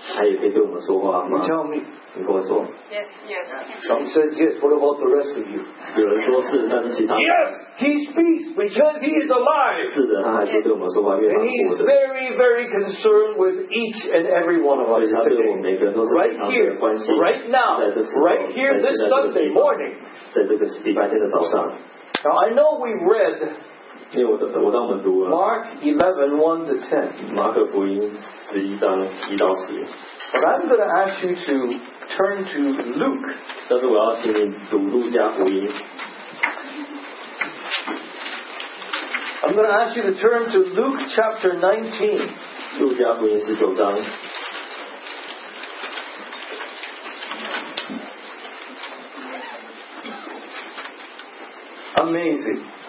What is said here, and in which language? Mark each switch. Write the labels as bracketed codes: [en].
[zh] 他也可以对我们说话吗？ [en] Tell me. [zh] 你跟我说。 [en] Yes, yes. Some says yes. What about the rest of you? [zh] 有人说是，但是其他。 [en] Yes, he speaks because he is alive. [zh] 是的，他还可以对我们说话，因为他活着。 [en] And he is very, very concerned with each and every one of us today. [zh] 他对我们每个人都是非常有关心。 [en] Right now, right here, this Sunday morning. [zh] 在这个礼拜天的早上。 [en] Now I know we read. [zh] 因为 我当我们读了 [en] Mark 11, 1 to 10. [zh] 马可福音十一章一到十。 [en] But I'm going to ask you to turn to Luke. [zh] 但是我要请你读路加福音。 [en] I'm going to ask you to turn to Luke chapter 19. [zh] 路加福音十九章。 [en] Amazing.